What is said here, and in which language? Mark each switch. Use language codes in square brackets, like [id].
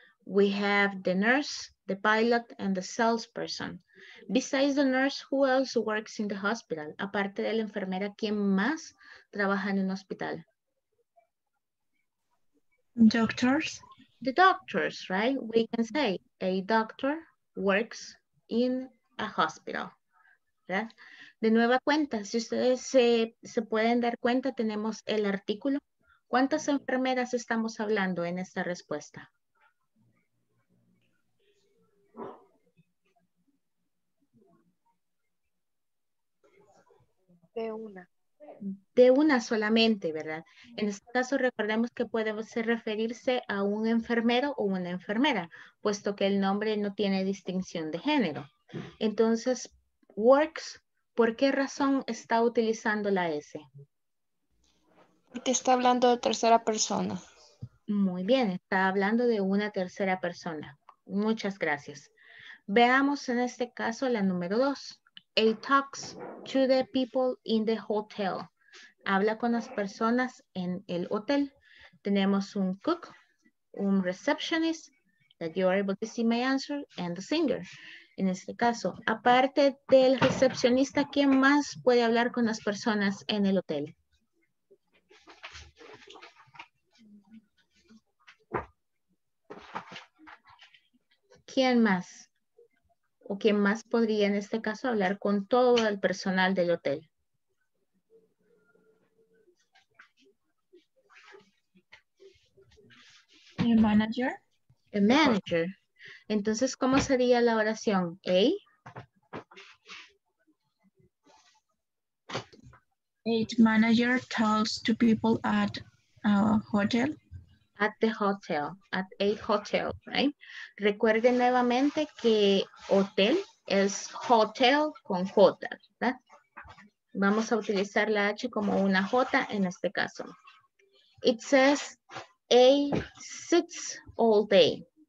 [en] We have the nurse, the pilot, and the salesperson. Besides the nurse, who else works in the hospital? [es] Aparte de la enfermera, ¿quién más trabaja en un hospital? [en] Doctors. The doctors, right? We can say a doctor works in a hospital, ¿verdad? [es] De nueva cuenta, si ustedes se pueden dar cuenta, tenemos el artículo. ¿Cuántas enfermeras estamos hablando en esta respuesta? De una. De una solamente, ¿verdad? En este caso, recordemos que puede ser referirse a un enfermero o una enfermera, puesto que el nombre no tiene distinción de género. Entonces, works, ¿por qué razón está utilizando la S? Porque está hablando de tercera persona. Muy bien, está hablando de una tercera persona. Muchas gracias. Veamos en este caso la número dos. [en] A talks to the people in the hotel. [es] Habla con las personas en el hotel. Tenemos un [en] cook, un receptionist, that you are able to see my answer, and the singer. [es] En este caso, aparte del recepcionista, ¿quién más puede hablar con las personas en el hotel? ¿Quién más? ¿O quién más podría en este caso hablar con todo el personal del hotel? El manager. El manager. Entonces, ¿cómo sería la oración? A. [en] A manager talks to people at a hotel. at the hotel, at a hotel, right? [es] Recuerde nuevamente que hotel es hotel con J, ¿verdad? Vamos a utilizar la H como una J en este caso. [en] It says, A sits all day.